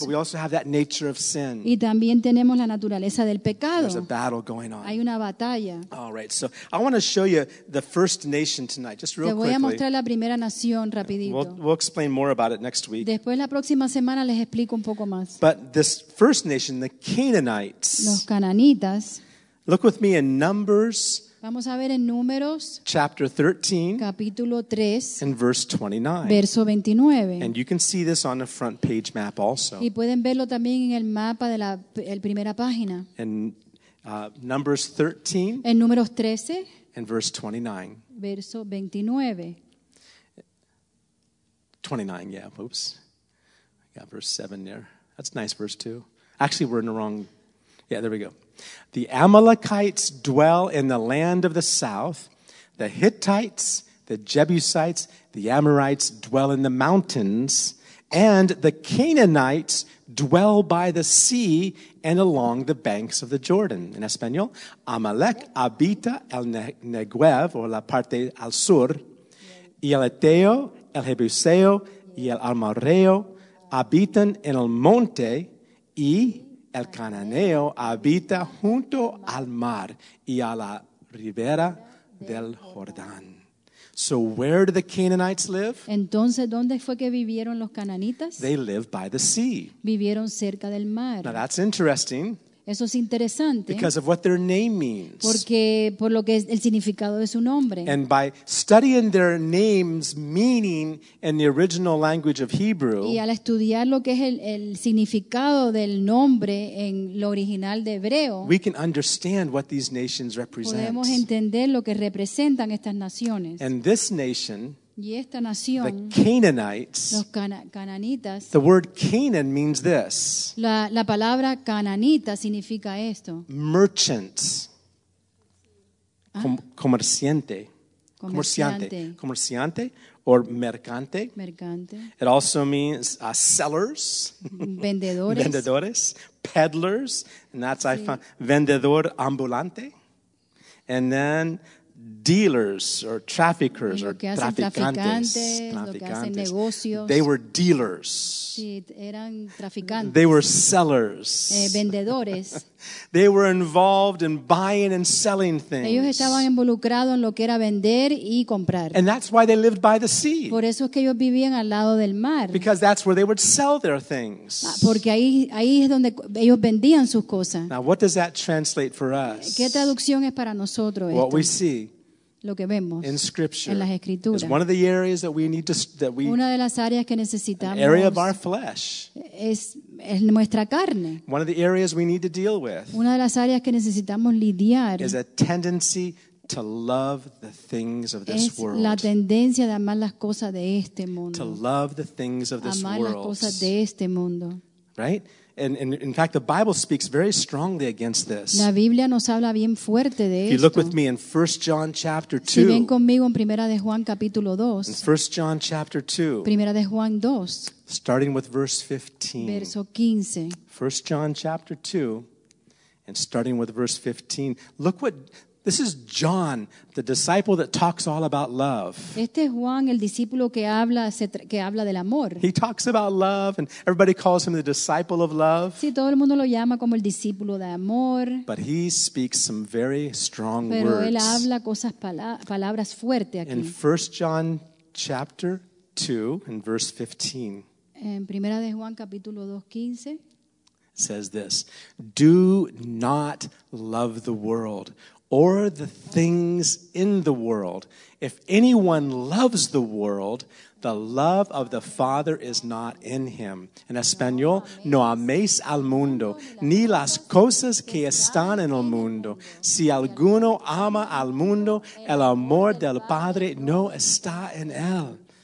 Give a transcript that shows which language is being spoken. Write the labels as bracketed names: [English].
[English] but we also have that nature of sin. [Spanish] Y también tenemos la naturaleza del pecado [English] There's a battle going on. [Spanish] Hay una batalla [English] All right, so I want to show you the first nation tonight, just real [Spanish] Te voy [English] quickly. [Spanish] A mostrar la primera nación rapidito [English] we'll explain more about it next week. [Spanish] Después la próxima semana les explico un poco más [English] But this first nation, the Canaanites, [Spanish] Los cananitas [English] Look with me in Numbers [Spanish] Vamos a ver en Números, [English] chapter 13, [Spanish] capítulo 3, [English] and verse 29. [Spanish] Verso 29. [English] And you can see this on the front page map also. [Spanish] Y pueden verlo también en el mapa de la primera página. [English] In Numbers 13, [Spanish] en Números 13, [English] and verse 29. [Spanish] Verso 29. [English] 29, yeah, oops. I got verse 7 there. That's nice, verse 2. Actually, we're in the wrong, yeah, there we go. The Amalekites dwell in the land of the south. The Hittites, the Jebusites, the Amorites dwell in the mountains. And the Canaanites dwell by the sea and along the banks of the Jordan. [Spanish] En español, Amalek habita el Negev, o la parte al sur. Y el Eteo, el Jebuseo, y el Amorreo habitan en el monte y... El Cananeo habita junto al mar y a la ribera del Jordán. [English] So where do the Canaanites live? [Spanish] Entonces, ¿dónde fue que vivieron los cananitas? [English] They live by the sea. [Spanish] Vivieron cerca del mar. [English] Now that's interesting. [Spanish] Eso es interesante. [English] Because of what their name means. [Spanish] Porque por lo que es el significado de su nombre. [English] And by studying their names meaning in the original language of Hebrew. [Spanish] Y al estudiar lo que es el significado del nombre en lo original de hebreo. [English] We can understand what these nations represent. [Spanish] Podemos entender lo que representan estas naciones. [English] And this nation. [Spanish] Y esta nación, [English] the Canaanites, [Spanish] los cananitas, [English] the word Canaan means this. [Spanish] La palabra cananita significa esto. [English] Merchants. [Spanish] Comerciante. Comerciante. Comerciante or mercante. Mercante. [English] It also means sellers. [Spanish] Vendedores. Vendedores. [English] Peddlers. And that's sí. I found. [Spanish] Vendedor ambulante. [English] And then... Dealers or traffickers or traficantes. They were dealers. [Spanish] Sí, eran traficantes. [English] They were sellers. [Spanish] Vendedores. [English] They were involved in buying and selling things. [Spanish] Ellos estaban involucrados en lo que era vender y comprar. [English] And that's why they lived by the sea. [Spanish] Por eso es que ellos vivían al lado del mar. [English] Because that's where they would sell their things. [Spanish] Porque ahí es donde ellos vendían sus cosas. [English] Now, what does that translate for us? [Spanish] ¿Qué traducción es para nosotros esto? [English] What we see. [Spanish] Lo que vemos [English] in scripture [Spanish] en las escrituras. [English] Is one of the areas that we need to that we [Spanish] una de las áreas que necesitamos, [English] an area of our flesh [Spanish] es nuestra carne. [English] One of the areas we need to deal with [Spanish] una de las áreas que necesitamos lidiar [English] is a tendency to love the things of this world. [Spanish] La tendencia de amar las cosas de este mundo. [English] To love the things of this [Spanish] amar [English] world [Spanish] las cosas de este mundo. [English] Right? And in fact, the Bible speaks very strongly against this. [Spanish] La Biblia nos habla bien fuerte de [English] if [Spanish] esto. [English] You look with me in 1 John chapter 2. [Spanish] Si ven conmigo en Primera de Juan capítulo 2. [English] In 1 John chapter 2. [Spanish] Primera de Juan 2. [English] Starting with verse 15. [Spanish] Verso 15. [English] 1 John chapter 2. And starting with verse 15. Look what, this is John, the disciple that talks all about love. [Spanish] Este es Juan, el discípulo que habla del amor. [English] He talks about love, and everybody calls him the disciple of love. [Spanish] Sí, todo el mundo lo llama como el discípulo de amor. [English] But he speaks some very strong [Spanish] pero [English] words. [Spanish] Pero él habla cosas palabras fuertes aquí. [English] In 1 John chapter 2, in verse 15. [Spanish] En Primera de Juan capítulo 2, 15. [English] Says this, do not love the world or the things in the world. If anyone loves the world, the love of the Father is not in him. [Spanish] En español, no améis al mundo, ni las cosas que están en el mundo. Si alguno ama al mundo, el amor del Padre no está en él.